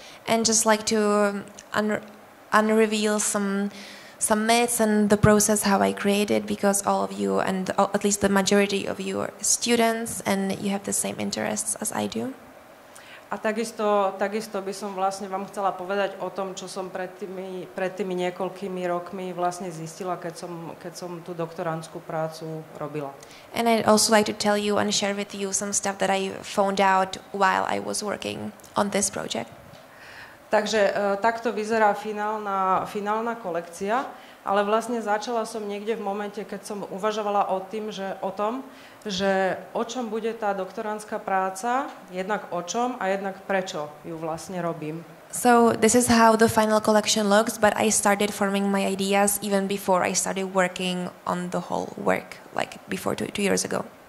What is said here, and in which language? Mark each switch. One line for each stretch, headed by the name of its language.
English: And just like to unreveal some myths and the process how I created because all of you and at least the majority of you are students and you have the same interests as I do.
Slovak: A takisto by som vlastne vám chcela povedať o tom, čo som pred tými niekoľkými rokmi vlastne zistila, keď som tú doktorantskú prácu robila.
English: And I'd also like to tell you and share with you some stuff that I found out while I was working on this project.
Slovak: Takže takto vyzerá finálna kolekcia, ale vlastne začala som niekde v momente, keď som uvažovala o tom, že o čom bude tá doktorantská práca, jednak o čom a jednak prečo ju vlastne robím.
English: So this is how the final collection looks, but I started forming my ideas even before I started working on the whole work, like before 2 years ago.